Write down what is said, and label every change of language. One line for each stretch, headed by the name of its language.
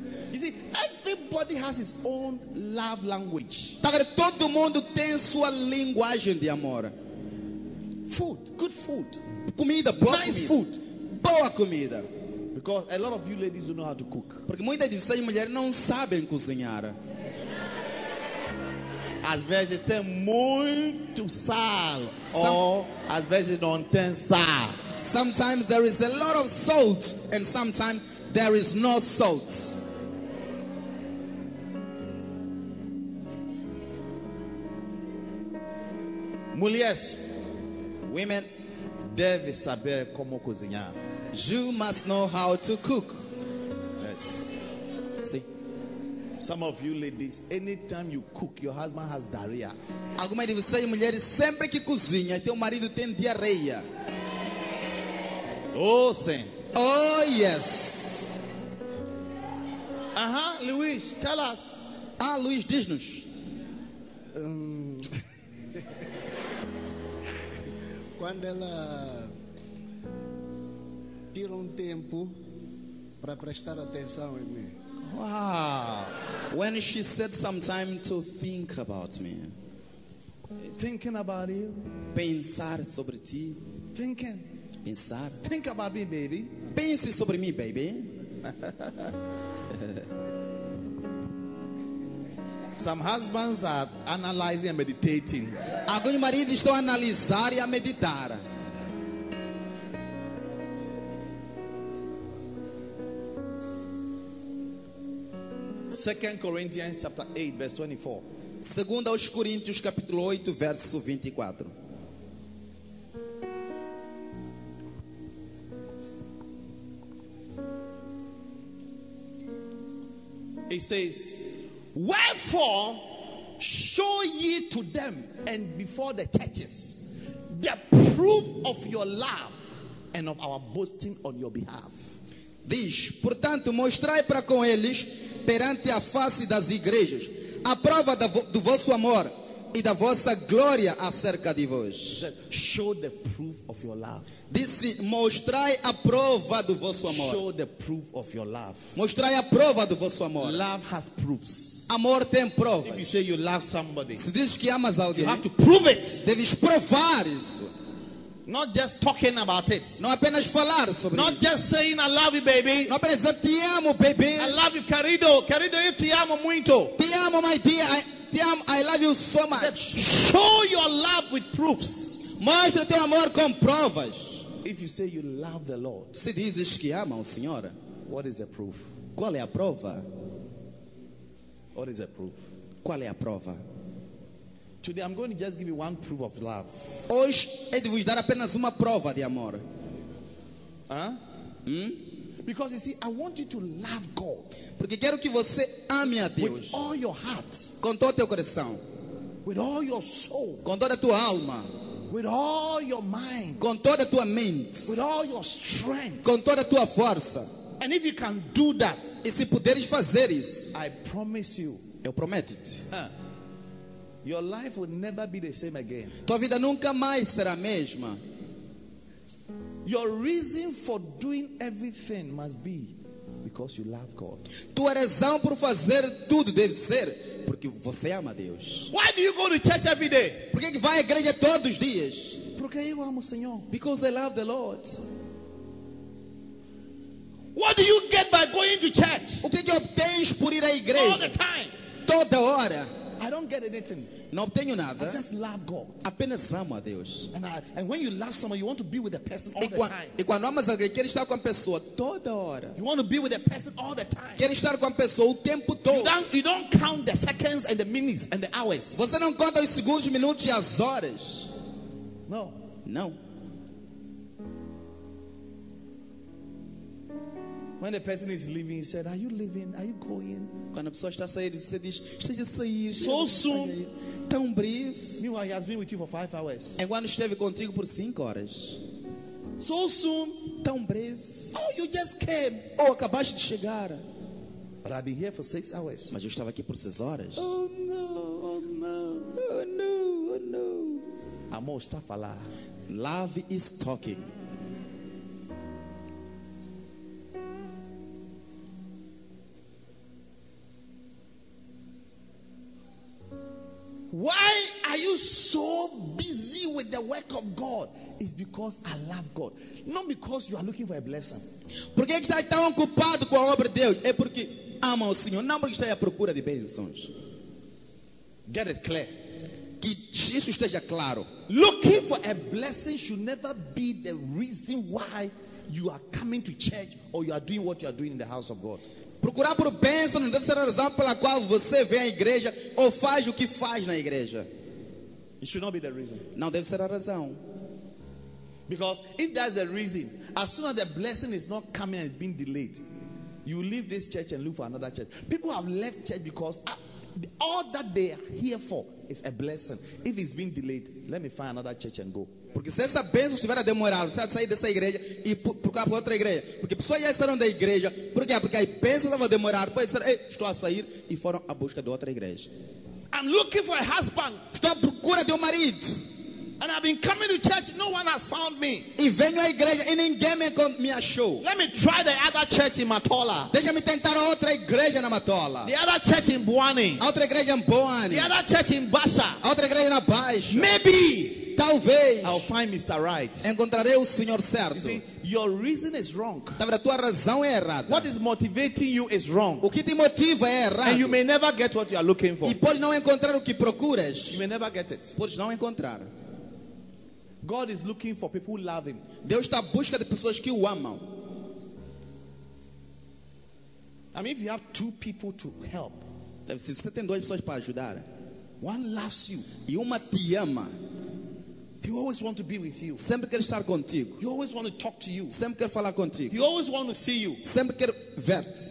English: You see, everybody has his own love language.
Portuguese: Tá, todo mundo tem sua linguagem de amor.
English: Food, good food.
Portuguese: Comida, boa
English: nice
Portuguese: comida.
English: Food.
Portuguese: Boa comida.
English: Because a lot of you ladies don't know how to cook.
Portuguese: Porque muitas de vocês mulheres não sabem cozinhar. As vezes tem muito sal. Ou as vezes não tem sal.
English: Sometimes there is a lot of salt and sometimes there is no salt.
Portuguese: Mulheres,
English: women,
Portuguese: devem saber como cozinhar.
English: You must know how to cook. Yes. See. Some of you ladies, anytime you cook, your husband has diarrhea.
Portuguese: Algumas de vocês mulheres, sempre que cozinha, teu marido tem diarreia. Oh, sim.
English: Oh, yes. Uh-huh, Luis, tell us.
Portuguese: Ah, Luis, diz-nos. Quando ela tira tempo para prestar atenção em mim.
English: Wow. When she said some time to think about me. Thinking about you.
Portuguese: Pensar sobre ti.
English: Thinking.
Portuguese: Pensar.
English: Think about me, baby.
Portuguese: Pense sobre mim, baby.
English: Some husbands are analyzing and meditating.
Portuguese: Alguns maridos estão a analisar e a meditar.
English: Second Corinthians chapter 8 verse 24.
Portuguese: Segunda aos Coríntios capítulo 8 verso 24.
English: It says, wherefore show ye to them and before the churches the proof of your love and of our boasting on your behalf.
Portuguese: Diz, portanto, mostrai para com eles perante a face das igrejas a prova do vosso amor e da vossa glória acerca de vós.
English: Show the proof of your love.
Portuguese: Disse, mostrai a prova do vosso amor.
English: Show the proof of your love.
Portuguese: Mostrai a prova do vosso amor.
English: Love has proofs.
Portuguese: Amor tem provas.
English: If you say you love somebody,
Portuguese: se diz que amas alguém,
English: you have to prove it.
Portuguese: Deves provar isso.
English: Not just talking about it.
Portuguese: Não apenas falar sobre
English: not
Portuguese: isso.
English: Not just saying I love you, baby.
Portuguese: Não apenas dizer te amo, baby.
English: I love you,
Portuguese: querido. Querido, eu te amo muito. Te amo,
English: my dear. I love you so much. That show your love with proofs.
Portuguese: Mostra teu amor com provas.
English: If you say you love the Lord,
Portuguese: se dizes que ama o Senhor,
English: what is the proof?
Portuguese: Qual é a prova?
English: What is the proof?
Portuguese: Qual é a prova?
English: Today I'm going to just give you one proof of love.
Portuguese: Hoje é de vos dar apenas uma prova de amor.
English: Because you see, I want you to love God.
Portuguese: Porque quero que você ame a Deus.
English: With all your heart.
Portuguese: Com todo o teu coração.
English: With all your soul.
Portuguese: Com toda a tua alma.
English: With all your mind.
Portuguese: Com toda a tua mente.
English: With all your strength.
Portuguese: Com toda a tua força.
English: And if you can do that,
Portuguese: e se puderes fazer isso,
English: I promise you,
Portuguese: eu prometo-te,
English: your life will never be the same again.
Portuguese: Tua vida nunca mais será a mesma.
English: Your reason for doing everything must be because you love God.
Portuguese: Tua razão por fazer tudo deve ser porque você ama Deus.
English: Why do you go to church every day?
Portuguese: Por que vai à igreja todos os dias? Porque eu amo o Senhor.
English: Because I love the Lord. What do you get by going to church?
Portuguese: O que obtens por ir à igreja?
English: All the time.
Portuguese: Toda hora.
English: I don't get anything.
Portuguese: Não obtenho nada.
English: I just love God.
Portuguese: Apenas amo a Deus.
English: And when you love someone, you want to be with the person all the time.
Portuguese: E quando amas alguém, queres estar com a pessoa toda hora.
English: You want to be with the person all the time.
Portuguese: Queres estar com a pessoa o tempo todo.
English: You don't count the seconds and the minutes and the hours.
Portuguese: Você não conta os segundos, minutos e as horas.
English: No.
Portuguese: Não.
English: When the person is leaving, he said, "Are you leaving? Are you going?"
Portuguese: Quando a pessoa está saindo, você diz, "Estás a sair?"
English: So soon,
Portuguese: tão breve.
English: Meanwhile, he has been with you for 5 hours.
Portuguese: Enquanto esteve contigo por 5 horas.
English: So soon,
Portuguese: tão breve.
English: Oh, you just came.
Portuguese: Oh, acabaste de chegar.
English: But I've been here for 6 hours.
Portuguese: Mas eu estava aqui por 6 horas.
English: Oh no, oh no, oh no, oh no.
Portuguese: Amor está a falar.
English: Love is talking. Why are you so busy with the work of God? It's because I love God. Not because you are looking for a blessing.
Portuguese: Por que está tão ocupado com a obra de Deus? É porque ama o Senhor, não porque está à procura de bênçãos.
English: Get it clear.
Portuguese: Que isso esteja claro.
English: Looking for a blessing should never be the reason why you are coming to church or you are doing what you are doing in the house of God.
Portuguese: Procurar por bênção não deve ser a razão pela qual você vem à igreja ou faz o que faz na igreja.
English: It should not be the reason.
Portuguese: Não deve ser a razão.
English: Because if that's the reason, as soon as the blessing is not coming and it's being delayed, you leave this church and look for another church. People have left church because all that they are here for is a blessing. If it's being delayed, let me find another church and go.
Portuguese: Porque se essa bênção estiver a demorar, você vai sair dessa igreja e procurar por outra igreja. Porque pessoas já estarão da igreja. Por quê? Porque a bênção estava a demorar. Pode ser, estou a sair e foram à busca de outra igreja.
English: I'm looking for a husband.
Portuguese: Estou à procura de marido.
English: And I've been coming to church, no one has found me.
Portuguese: E venho à igreja e ninguém me achou.
English: Let me try the other church in Matola.
Portuguese: Deixa-me tentar outra igreja na Matola.
English: The other church in Buani.
Portuguese: Outra igreja em Buani.
English: The other church in Baixa.
Portuguese: Outra igreja na Baixa.
English: Maybe.
Portuguese: Talvez.
English: I'll find Mr. Right.
Portuguese: Encontrarei o Senhor certo.
English: You see, your reason is wrong.
Portuguese: Talvez a tua razão é errada.
English: What is motivating you is wrong.
Portuguese: O que te motiva é errado.
English: And you may never get what you are looking for.
Portuguese: E podes não encontrar o que procuras.
English: You may never get it.
Portuguese: Podes não encontrar.
English: God is looking for people who love him.
Portuguese: Deus está à busca de pessoas que o amam.
English: I mean, if you have two people to help,
Portuguese: se você tem duas pessoas para ajudar,
English: one loves you.
Portuguese: E uma te ama.
English: He always wants to be with you.
Portuguese: Sempre quer estar contigo.
English: He always wants to talk to you.
Portuguese: Sempre quer falar contigo.
English: He always wants to see you.
Portuguese: Sempre quer ver-te.